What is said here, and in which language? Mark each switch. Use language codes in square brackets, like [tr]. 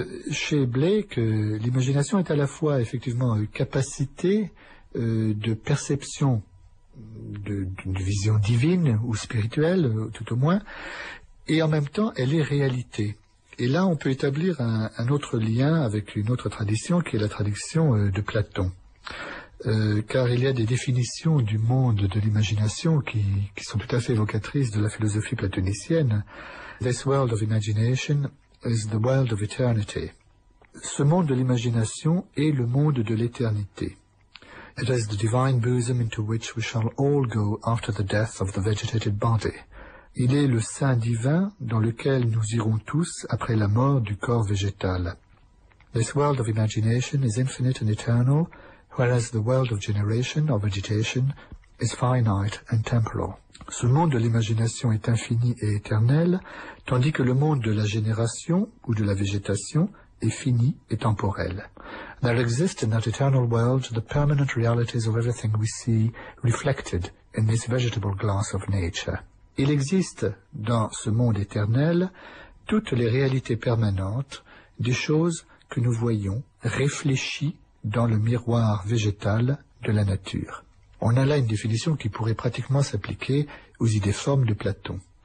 [fr] Chez Blake, l'imagination est à la fois effectivement une capacité de perception d'une vision divine ou spirituelle, tout au moins, et en même temps, elle est réalité. Et là, on peut établir un autre lien avec une autre tradition, qui est la tradition de Platon. Car il y a des définitions du monde de l'imagination qui sont tout à fait évocatrices de la philosophie platonicienne. [en] This world of imagination is the world of eternity. [fr] Ce monde de l'imagination est le monde de l'éternité. [en] It is the divine bosom into which we shall all go after the death of the vegetated body. [fr] Il est le sein divin dans lequel nous irons tous après la mort du corps végétal. [en] This world of imagination is infinite and eternal, whereas the world of generation or vegetation is finite and temporal. [fr] Ce monde de l'imagination est infini et éternel, tandis que le monde de la génération ou de la végétation est fini et temporel. [en] There exist in that eternal world the permanent realities of everything we see reflected in this vegetable glass of nature. [fr] Il existe dans ce monde éternel toutes les réalités permanentes des choses que nous voyons réfléchies dans le miroir végétal de la nature. On a là une définition qui pourrait pratiquement s'appliquer aux idées formes de Platon.